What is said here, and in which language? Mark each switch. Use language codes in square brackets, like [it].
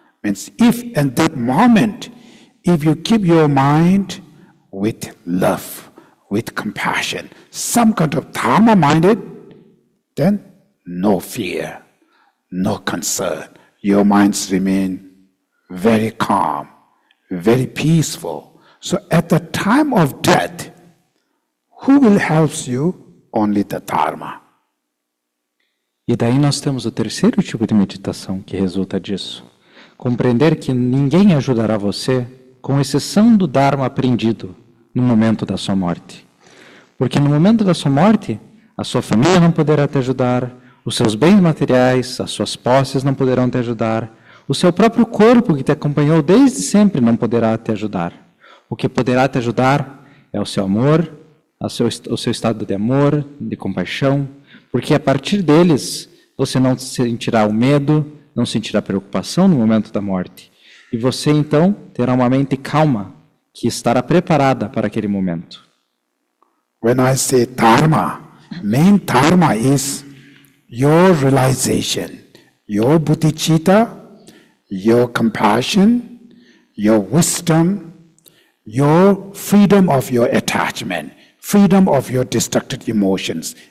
[en] Means if in that moment, if you keep your mind with love, with compassion, some kind of Dharma-minded, then no fear, no concern. Your minds remain very calm, very peaceful. So at the time of death, who will help you? Only the Dharma. [pt] E daí nós temos o terceiro tipo de meditação que resulta disso. Compreender que ninguém ajudará você, com exceção do Dharma aprendido no momento da sua morte. Porque no momento da sua morte, a sua família não poderá te ajudar, os seus bens materiais, as suas posses não poderão te ajudar, o seu próprio corpo que te acompanhou desde sempre não poderá te ajudar. O que poderá te ajudar é o seu amor, o seu estado de amor, de compaixão, porque a partir deles você não sentirá o medo, não sentirá preocupação no momento da morte. E você então terá uma mente calma, que estará preparada para aquele momento. [en] When I say Dharma, main Dharma is your realization, your bodhicitta, your compassion, your wisdom, your freedom of your attachment, freedom of your destructive emotions.